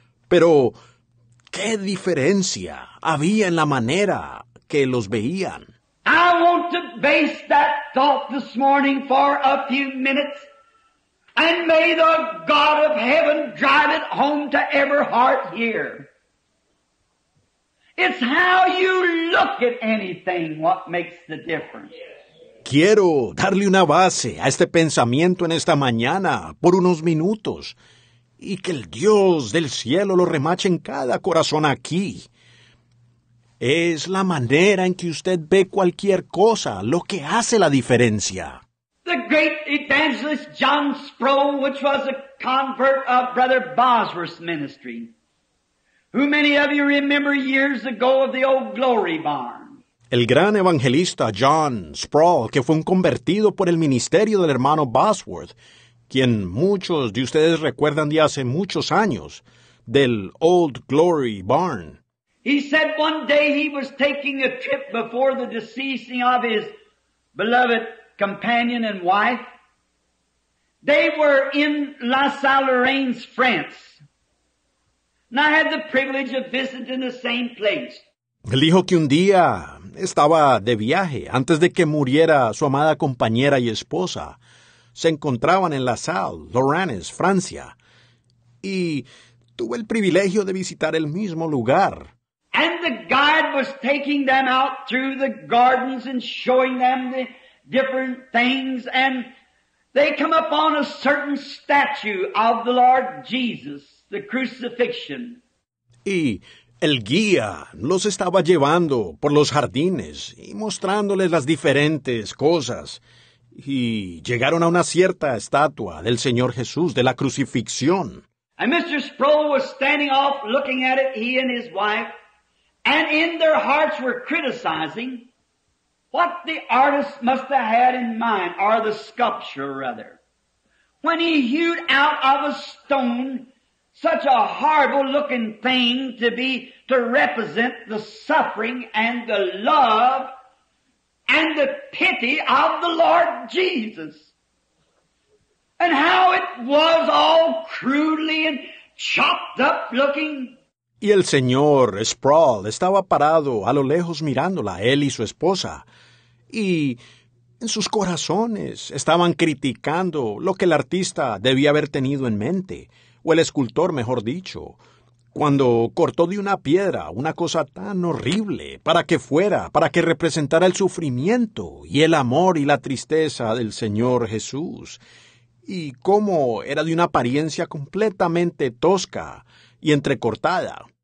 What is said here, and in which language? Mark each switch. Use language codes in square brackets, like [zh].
[es] Pero ¿qué diferencia había en la manera que los veían? [en] I want to base that thought this morning for a few minutes, and may the God of heaven drive it home to every heart here. It's how you look at anything what makes the difference. [es] Quiero darle una base a este pensamiento en esta mañana por unos minutos. Y que el Dios del cielo lo remache en cada corazón aquí. Es la manera en que usted ve cualquier cosa lo que hace la diferencia. [en] The great evangelist John Sproul, which was a convert of Brother Bosworth's ministry, who many of you remember years ago of the old Glory Barn. [es] El gran evangelista John Sproul, que fue un convertido por el ministerio del hermano Bosworth, quien muchos de ustedes recuerdan de hace muchos años, del Old Glory Barn. [en] He said one day he was taking a trip before the deceasing of his beloved companion and wife. They were in La Salle-Lorraine, France. And I had the privilege of visiting the same place. [es] Él dijo que un día estaba de viaje antes de que muriera su amada compañera y esposa. Se encontraban en La Salle, Lorraine, Francia, y tuve el privilegio de visitar el mismo lugar. [en] And the guide was taking them out through the gardens and showing them the different things, and they come upon a certain statue of the Lord Jesus, the crucifixion. [es] Y el guía los estaba llevando por los jardines y mostrándoles las diferentes cosas. Y llegaron a una cierta estatua del Señor Jesús, de la crucifixión. [en] And Mr. Sproul was standing off looking at it, he and his wife, and in their hearts were criticizing what the artist must have had in mind, or the sculpture rather, when he hewed out of a stone such a horrible looking thing to represent the suffering and the love and the pity of the Lord Jesus, and how it was all crudely and chopped up looking. [es] Y el señor Sproul estaba parado a lo lejos mirándola, él y su esposa, y en sus corazones estaban criticando lo que el artista debía haber tenido en mente, o el escultor, mejor dicho, cuando cortó de una piedra una cosa tan horrible para que representara el sufrimiento y el amor y la tristeza del Señor Jesús, y cómo era de una apariencia completamente tosca y entrecortada.